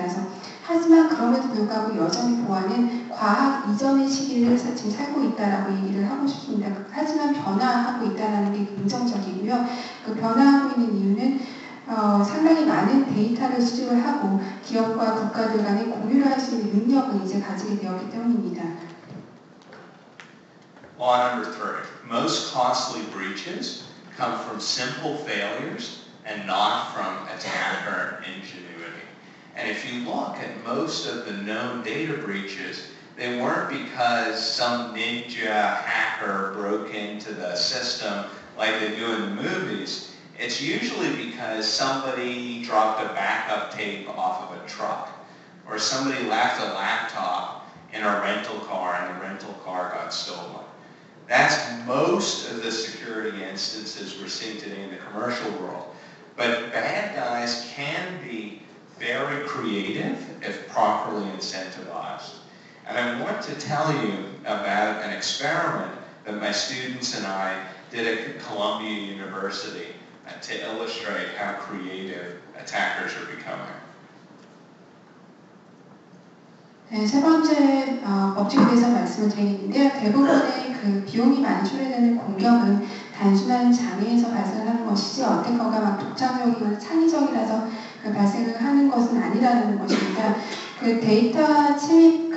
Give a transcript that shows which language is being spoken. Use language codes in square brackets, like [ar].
[ko] 그래서 하지만 그럼에도 불구하고 여전히 보안은 과학 이전의 시기를 지금 살고 있다라고 얘기를 하고 싶습니다. 하지만 변화하고 있다는 게 긍정적이고요. 그 변화하고 있는 이유는 상당히 많은 데이터를 수집을 하고 기업과 국가들 간에 공유를 할 수 있는 능력을 이제 가지게 되었기 때문입니다. [en] Law number three. Most costly breaches come from simple failures and not from attacker ingenuity. And if you look at most of the known data breaches, they weren't because some ninja hacker broke into the system like they do in the movies. It's usually because somebody dropped a backup tape off of a truck, or somebody left a laptop in a rental car and the rental car got stolen. That's most of the security instances we're seeing today in the commercial world. But bad guys can be very creative if properly incentivized. And I want to tell you about an experiment that my students and I did at Columbia University to illustrate how creative attackers are becoming. [ko] 네, 세 번째 법칙에 대해서 말씀을 드리겠는데요. 대부분의 그 비용이 많이 초래되는 공격은 단순한 장애에서 발생하는 것이지 어택커가 막 독창적이거나 창의적이라서 그 발생을 하는 것은 아니라는 것입니다. 그 데이터 침입